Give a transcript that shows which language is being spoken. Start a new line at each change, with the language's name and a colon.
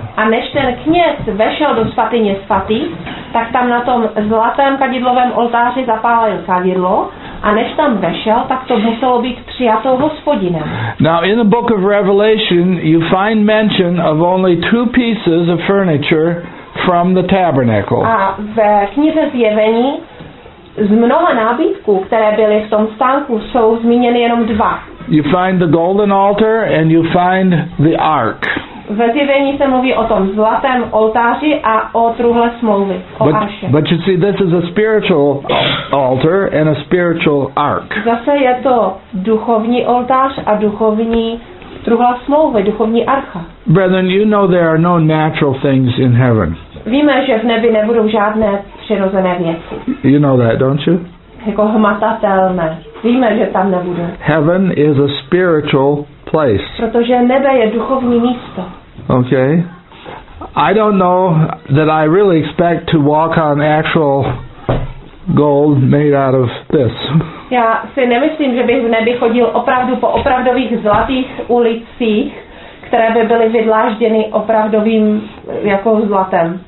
Czech: A než ten kněz vešel do svatyně svatých, tak tam na tom zlatém kadidlovém oltáři zapálil kadidlo. A než tam vešel, tak to muselo být přijato Hospodinem.
English: Now in the book of Revelation you find mention of only two pieces of furniture from the tabernacle.
Czech: A ve knize Zjevení z mnoha nábytků, které byly v tom stánku, jsou zmíněny jenom dva.
English: You find the golden altar and you find the ark.
Czech: Ve Zjevení se mluví o tom zlatém oltáři a o truhle smlouvy, o
English: but,
Czech: arše.
English: But you see, this is a spiritual altar and a spiritual ark.
Czech: Zase je to duchovní oltář a duchovní truhla smlouvy, duchovní archa.
English: Brethren, you know there are no natural things in heaven.
Czech: Víme, že v nebi nebudou žádné přirozené věci.
English: You know that, don't you?
Czech: Jako hmatatelné. Víme, že tam nebudou.
English: Heaven is a spiritual place.
Czech: Protože nebe je duchovní místo.
English: Okay. I don't know that I really expect to walk on actual gold made out of this.
Czech: Já si nemyslím, že bych v nebi chodil opravdu po opravdových zlatých ulicích, které by byly vydlážděny opravdovým jako zlatem.